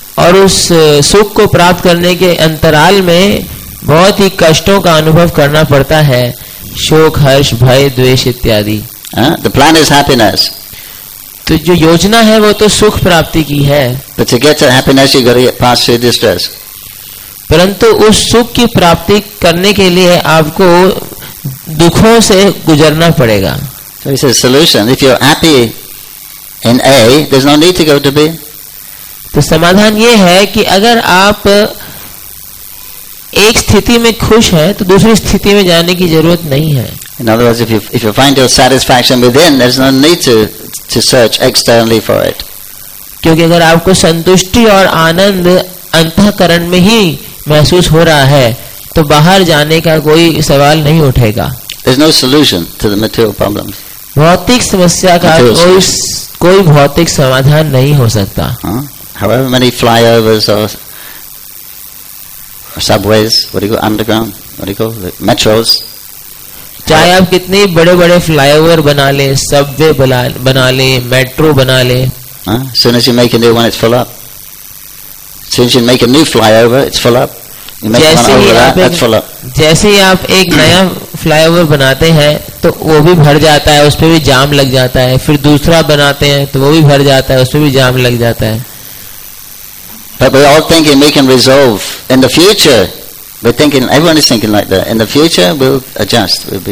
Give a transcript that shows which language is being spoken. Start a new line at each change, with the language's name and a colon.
Hindi: और उस सुख को प्राप्त करने के अंतराल में बहुत ही कष्टों का अनुभव करना पड़ता है, शोक, हर्ष, भय, द्वेष इत्यादि.
English: The plan is happiness.
Hindi: तो जो योजना है वो तो सुख प्राप्ति की है.
English: But to get to happiness, you got to get past through distress.
Hindi: परंतु उस सुख की प्राप्ति करने के लिए आपको दुखों से गुजरना पड़ेगा.
English: So it's a solution. If you're happy in A, there's no need to go to B.
Hindi: तो समाधान ये है कि अगर आप एक स्थिति में खुश हैं, तो दूसरी स्थिति में जाने की जरूरत नहीं है.
English: In other words, if you find your satisfaction within, there's no need to search externally for it.
Hindi: क्योंकि अगर आपको संतुष्टि और आनंद अंतःकरण में ही महसूस हो रहा है, तो बाहर जाने का कोई सवाल नहीं उठेगा.
English: There's no solution to the material problems.
Hindi: भौतिक समस्या का कोई भौतिक समाधान नहीं हो सकता.
English: However many flyovers or subways, what do you call underground, what do you call the metros.
Hindi: चाहे आप कितने बड़े बड़े फ्लाईओवर बना ले, सबवे बना ले, मेट्रो बना ले,
English: soon as you make a new one, it's full up. Soon as you make a new flyover, it's full up. You make one over that, that's full up.
Hindi: जैसे ही आप एक नया फ्लाईओवर बनाते हैं तो वो भी भर जाता है, उस पर भी जाम लग जाता है. फिर दूसरा बनाते हैं तो वो भी भर जाता है, उस पर भी जाम लग जाता है.
English: But we all think we can resolve in the future. We're thinking, everyone is thinking like that. In the future, we'll adjust.